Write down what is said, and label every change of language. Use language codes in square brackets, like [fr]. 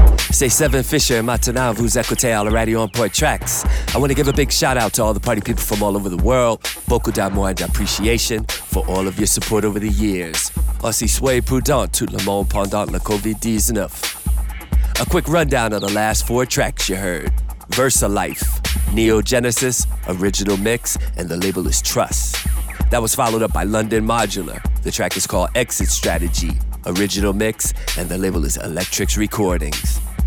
[fr] C'est Seven Fisher, maintenant vous écoutez à la radio en Port Tracks. [en] I want to give a big shout out to all the party people from all over the world. [fr] Beaucoup d'amour et d'appréciation [en] for all of your support over the years. [fr] Aussi soyez prudent tout le monde pendant la COVID-19. [en] A quick rundown of the last four tracks you heard. VersaLife, Neo Genesis, Original Mix, and the label is Trust. That was followed up by London Modular. The track is called Exit Strategy, Original Mix, and the label is Electrics Recordings.